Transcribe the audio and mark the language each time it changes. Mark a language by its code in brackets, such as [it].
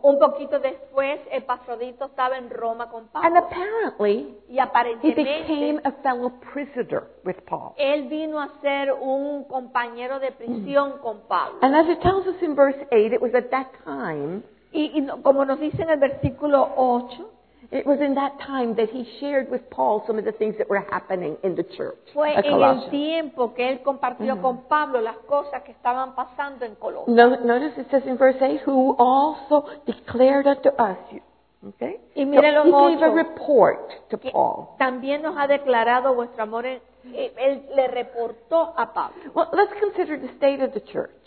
[es] Un poquito después, Epafrodito estaba en Roma con Pablo. [en] And apparently, [es] y aparentemente, [en] he became a fellow prisoner with Paul. [es] Él vino a ser un compañero de prisión con Pablo. [en] And as it tells us in verse 8, it was at that time, [es] y como nos dice en el versículo 8, [en] it was in that time that he shared with Paul some of the things that were happening in the church. [es] Fue en el tiempo que él compartió con Pablo las cosas que estaban pasando en Colosa. [en] Notice it says in verse 8, who also declared unto us. Okay? [es] Y mire los 8, [en] he gave a report to Paul. [es] También nos ha declarado vuestro amor en, él le reportó a Pablo. [en] Well, let's consider the state of the church.